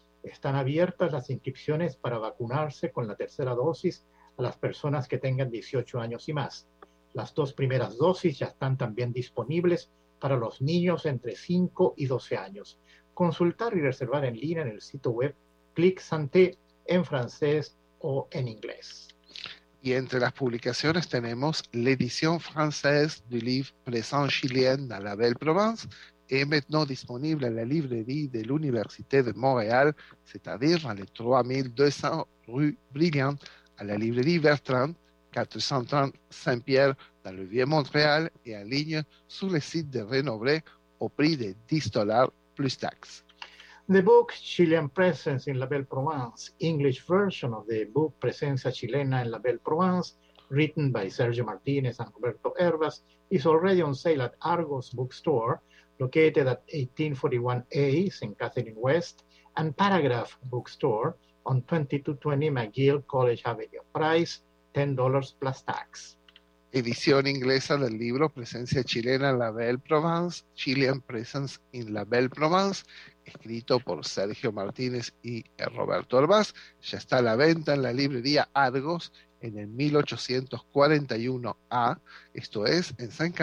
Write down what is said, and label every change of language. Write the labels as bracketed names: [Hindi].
[Spanish] Están abiertas las inscripciones para vacunarse con la tercera dosis a las personas que tengan 18 años y más. Las dos primeras dosis ya están también disponibles para los niños entre 5 y 12 años. Consultar y reservar en línea en el sitio web Clic Santé en francés o en inglés. Y entre las publicaciones tenemos [French] l'édition française du livre Présent Chilien à la Belle Provence, et maintenant disponible à la librairie de l'Université de Montréal, c'est-à-dire dans les 3200 rue Brilliant, à la librairie Bertrand, 430 Saint-Pierre, dans le Vieux-Montréal, et en ligne sur le site de Renoblé, au prix de 10 dollars plus taxes. [English] The book Chilean Presence in La Belle Provence, English version of the book Presencia Chilena en La Belle Provence, written by Sergio Martinez and Roberto Hervas, is already on sale at Argos Bookstore, located at 1841A St. Catherine West and Paragraph Bookstore on 2220 McGill College Avenue. Price, $10 plus tax. [Spanish] Edición inglesa del libro Presencia Chilena en La Belle Provence, Chilean Presence in La Belle Provence, escrito por Sergio Martínez y Roberto Hervás, ya está a la venta en la librería Argos en el 1841A, esto es, en St.